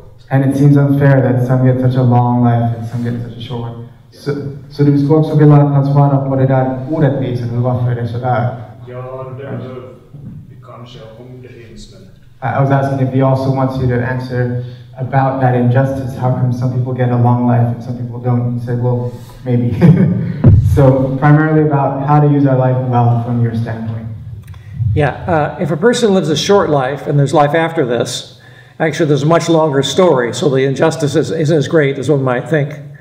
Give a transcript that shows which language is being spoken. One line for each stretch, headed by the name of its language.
English: And it seems unfair that some get such a long life and some get such a short.
Swedish: So du skulle också vilja att han svara på det där orättvisen, varför är det sådär? Ja, det behöver kanske om det finns, men...
English: I was asking if he also wants you to answer about that injustice, how come some people get a long life and some people don't? He said, well, maybe. So primarily about how to use our life well from your standpoint. Yeah, if a person lives a short life and there's life after this, actually there's a much longer story, so the injustice isn't as great as one might think.